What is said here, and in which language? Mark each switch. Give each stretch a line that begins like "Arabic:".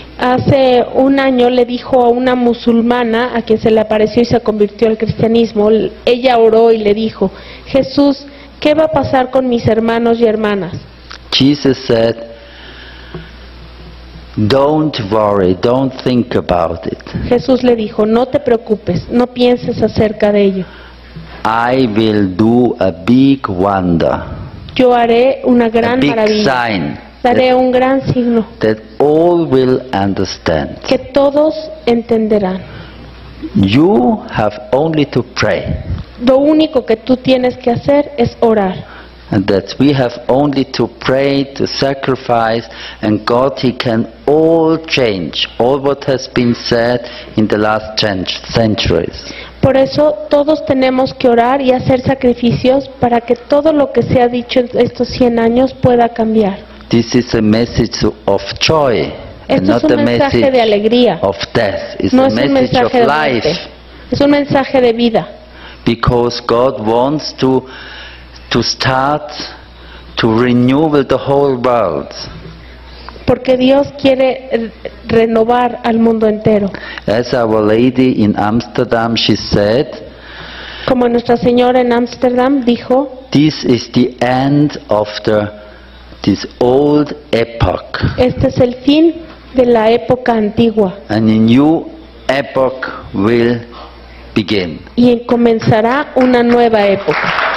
Spanish: Hace un año le dijo a una musulmana a quien se le apareció y se convirtió al cristianismo, ella oró y le dijo, Jesús, ¿qué va a pasar con mis hermanos y hermanas?
English: Jesus said, don't worry, don't think about it.
Spanish: Jesús le dijo, no te preocupes, no pienses acerca de ello.
English: I will do a big wonder.
Spanish: Yo haré una gran maravilla.
English: A big sign.
Spanish: Daré un gran signo.
English: That all will understand.
Spanish: Que todos entenderán.
English: You have only to pray.
Spanish: Lo único que tú tienes que hacer es orar.
English: And that we have only to pray, to sacrifice, and God, he can all change all what has been said in the last centuries.
Spanish: Por eso todos tenemos que orar y hacer sacrificios para que todo lo que se ha dicho en estos 100 años pueda cambiar.
English: This is a message of joy, and not a message of death. It's no a message of life.
Spanish: Es un mensaje de vida.
English: Because God wants to start to renew the whole world.
Spanish: Porque Dios quiere renovar al mundo entero.
English: As our lady in Amsterdam, she said.
Spanish: Como nuestra señora en Amsterdam dijo.
English: This is the end of the. This old epoch.
Spanish: Este es el fin de la época antigua.
English: And a new epoch will begin.
Spanish: Y comenzará una nueva época.